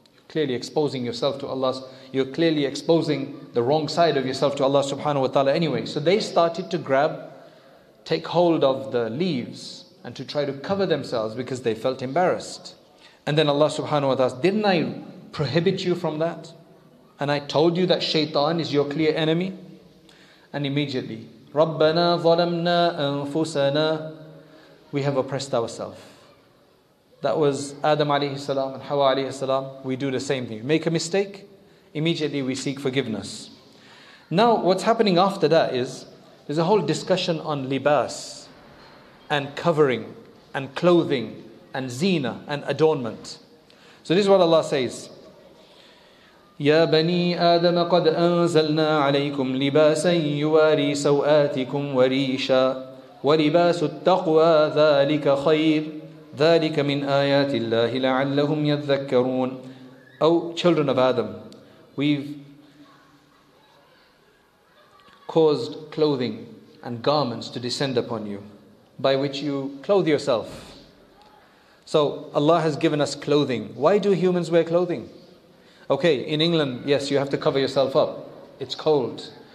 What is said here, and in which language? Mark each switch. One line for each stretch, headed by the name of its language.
English: Clearly exposing yourself to Allah, you're clearly exposing the wrong side of yourself to Allah subhanahu wa ta'ala anyway. So they started to take hold of the leaves and to try to cover themselves because they felt embarrassed. And then Allah subhanahu wa ta'ala asked, didn't I prohibit you from that? And I told you that shaitan is your clear enemy?
Arabic: And immediately, رَبَّنَا ظَلَمْنَا أَنفُسَنَا.
English: We have oppressed ourselves. That was Adam alayhi salam and Hawa alayhi salam. We do the same thing. Make a mistake, immediately we seek forgiveness. Now what's happening after that is, there's a whole discussion on libas and covering and clothing and zina and adornment. So this is what Allah says.
Arabic: يَا بَنِي آدَمَ قَدْ أَنزَلْنَا عَلَيْكُمْ لِبَاسًا يُوَارِي سَوْآتِكُمْ وَرِيشًا وَلِبَاسُ التَّقْوَى ذَلِكَ خَيْرٌ ذَلِكَ مِنْ آيَاتِ اللَّهِ لَعَلَّهُمْ يَذَّكَّرُونَ.
English: O children of Adam, we've caused clothing and garments to descend upon you, by which you clothe yourself. So Allah has given us clothing. Why do humans wear clothing? Okay, in England, yes, you have to cover yourself up. It's cold.